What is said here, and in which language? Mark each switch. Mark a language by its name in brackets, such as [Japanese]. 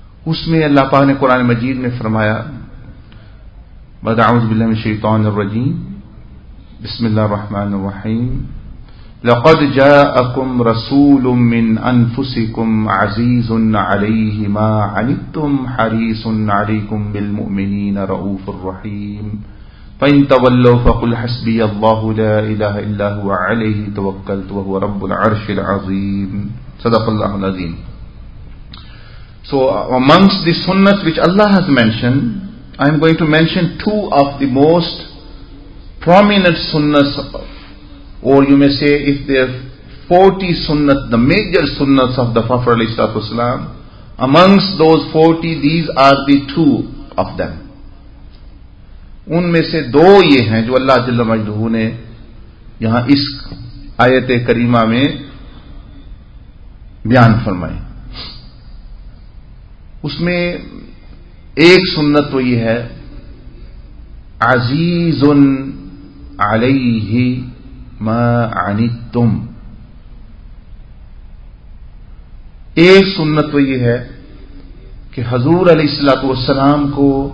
[Urdu] اس میں اللہ پاک نے قرآن مجید میں فرمایا، [Arabic] بعد اعوذ باللہ من الشیطان الرجیم، بسم اللہ الرحمن الرحیم، لقد جاءکم رسول من انفسکم عزیز علیہ ما عنتم حریص علیکم بالمؤمنین رؤوف الرحیم، فان تولوا فقل حسبی اللہ لا الہ الا ہوا علیہ توکلت وہو رب العرش العظیم، صدق اللہ العظیم. [English] So amongst the sunnahs which Allah has mentioned, I am going to mention two of the most prominent sunnahs, or you may say if there are 40 sunnahs, the major sunnahs of the Prophet صلی اللہ علیہ وسلم, amongst those 40, these are the two of them. [Urdu] ان میں سے دو یہ ہیں جو اللہ جل مجدہ نے یہاں اس آیت کریمہ میں بیان فرمائے. اس میں ایک سنت تو یہ ہے، [Arabic] عزیز علیہ ما عنتم، [Urdu] ایک سنت تو یہ ہے کہ حضور علیہ الصلوۃ والسلام کو